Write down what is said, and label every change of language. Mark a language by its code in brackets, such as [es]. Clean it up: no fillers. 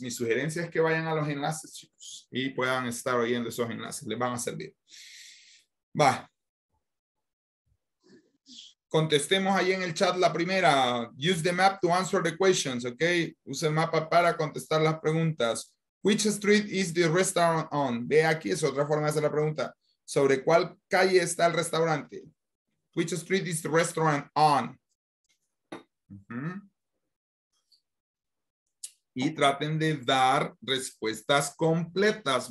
[es] Mi sugerencia es que vayan a los enlaces, chicos, y puedan estar oyendo esos enlaces. Les van a servir. Va. contestemos ahí en el chat la primera. [en] Use the map to answer the questions, okay? [es] Use el mapa para contestar las preguntas. [en] Which street is the restaurant on? [es] Ve aquí, es otra forma de hacer la pregunta. ¿Sobre cuál calle está el restaurante? [en] Which street is the restaurant on? Uh-huh. [es] Y traten de dar respuestas completas.